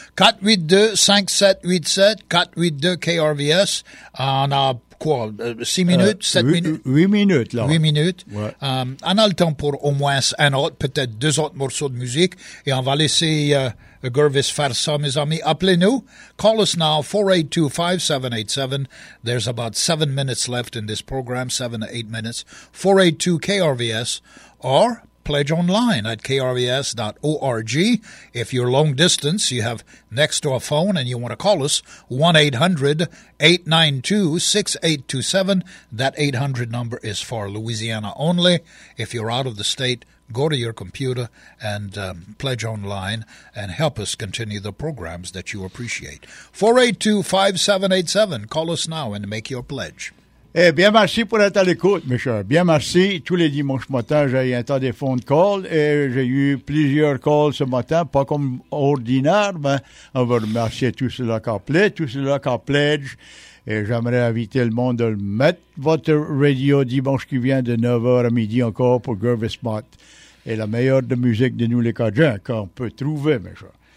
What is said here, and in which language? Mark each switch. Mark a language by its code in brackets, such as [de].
[en] 482-5787, 482-KRVS. [fr] On a quoi? 6 minutes? 7 minutes? 8 minutes, là. 8 minutes. Ouais. On a le temps pour au moins un autre, peut-être deux autres morceaux de musique. Et on va laisser Gervais faire ça, mes amis. Appelez-nous. [en] Call us now, 482-5787. There's about 7 minutes left in this program, 7 to 8 minutes. 482-KRVS or pledge online at krvs.org. If you're long distance, you have next to a phone and you want to call us, 1-800-892-6827. That 800 number is for Louisiana only. If you're out of the state, go to your computer and pledge online and help us continue the programs that you appreciate. 482-5787. Call us now and make your pledge. [fr] Eh bien, merci pour être à l'écoute, mes chers. Bien, merci. Tous les dimanches matin, j'ai eu un tas de phone calls et j'ai eu plusieurs calls ce matin, pas comme ordinaire, mais on va remercier tous ceux-là qui appellent, tous ceux-là qui pledge. Et j'aimerais inviter le monde à mettre votre radio dimanche qui vient de 9h à midi encore pour Gervais Mott et la meilleure de musique de nous les Cajuns qu'on peut trouver, mes chers.